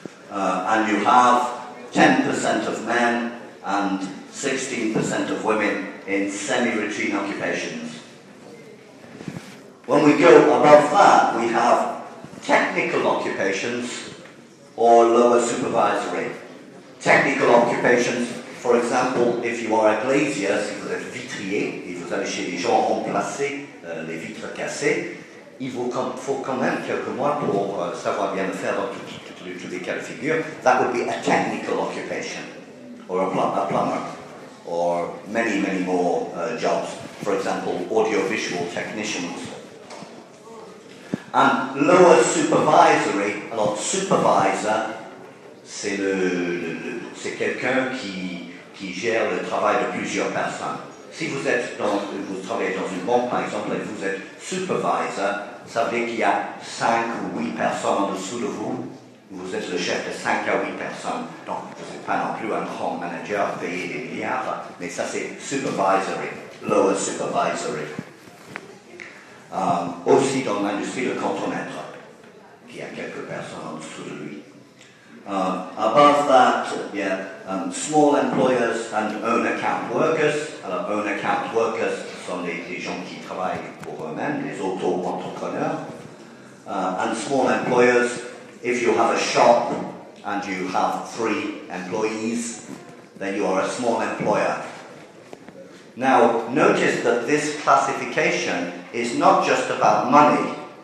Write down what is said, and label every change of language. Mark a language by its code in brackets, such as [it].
[en] And you have 10% of men and 16% of women in semi-routine occupations. When we go above that, we have technical occupations or lower supervisory. Technical occupations, for example, if you are a glazier, [fr] si vous êtes vitrier, et vous allez chez les gens remplacer les vitres cassées, il vous faut quand même quelques mois pour savoir bien le faire dans toutes les cas de figure. [en] That would be a technical occupation, or a plumber, or many, many more jobs. For example, audiovisual technicians. And lower supervisory, [fr] alors supervisor, c'est quelqu'un qui gère le travail de plusieurs personnes. si vous êtes dans, vous travaillez dans une banque par exemple et vous êtes supervisor, savez qu'il y a 5 ou 8 personnes en dessous de vous. Vous êtes le chef de 5 à 8 personnes, donc vous n'êtes pas non plus un grand manager payé des milliards, mais ça c'est supervisory, lower supervisory. Aussi dans l'industrie, le cantonnetre, qui a quelques personnes en dessous de lui. [en] Above that, small employers and own account workers. [fr] Alors, own account workers sont les gens qui travaillent pour eux-mêmes, les auto-entrepreneurs. [en] And small employers, if you have a shop and you have 3 employees, then you are a small employer. Now, notice that this classification is not just about money.